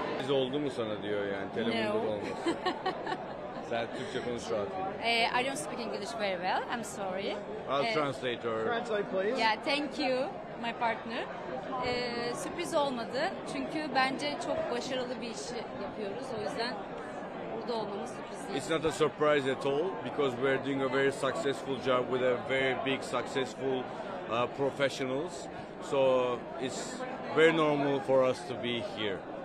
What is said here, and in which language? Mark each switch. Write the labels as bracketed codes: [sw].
[tr] Oldu mu sana diyor yani telefonda olmaz. Sen Türkçe konuş rahat. [en] I don't speak English very well. I'm sorry. I'll translate her. Translate please. Yeah, thank you my partner. [tr] Sürpriz olmadı. Çünkü bence çok başarılı bir iş yapıyoruz. O yüzden burada olmamız sürpriz değil. [en] It's not a surprise at all because we're doing a very successful job with a very big successful professionals. So it's very normal for us to be here.